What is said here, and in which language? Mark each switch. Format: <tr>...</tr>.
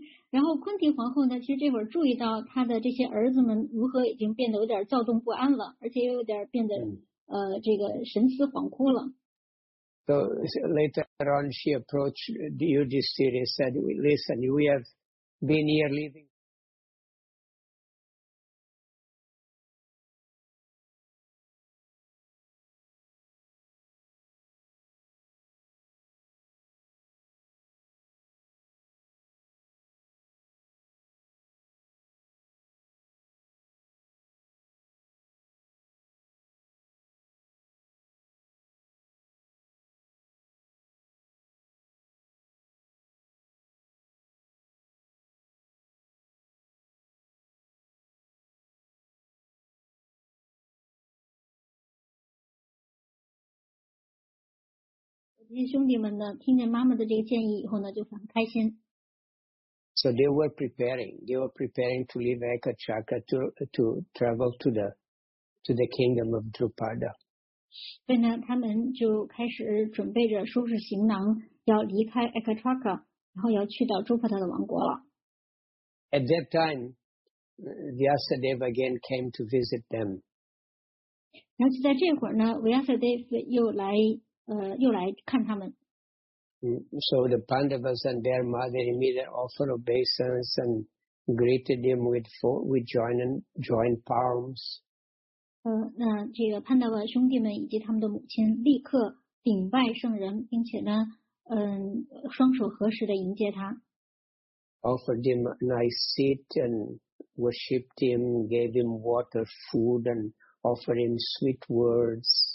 <zh>然后昆蒂皇后呢，其实这会儿注意到她的这些儿子们如何已经变得有点躁动不安了，而且又有点变得。这个神思恍惚了。</zh> <en>So later on, she approached the Yudhisthira and said, "Listen, we have been here living."</en> <zh>这些兄弟们呢，听见妈妈的这个建议以后呢，就很开心。</zh> <en>So they were preparing to leave Ekachakra to travel to the kingdom of Drupada.</en> <zh>所以呢，他们就开始准备着收拾行囊，要离开 Ekachakra， 然后要去到朱帕达的王国了。</zh> <en>At that time, Vyasadeva again came to visit them.</en> <zh>然后就在这会儿呢 ，Vyasadeva 又来看他们。</zh> <en>So the Pandavas and their mother immediately offered obeisance and greeted him with joined palms.</en> <zh>那这个潘达瓦兄弟们以及他们的母亲立刻顶拜圣人，并且呢，双手合十的迎接他。</zh> <en>Offered him a nice seat and worshipped him, gave him water, food, and offered him sweet words.</en>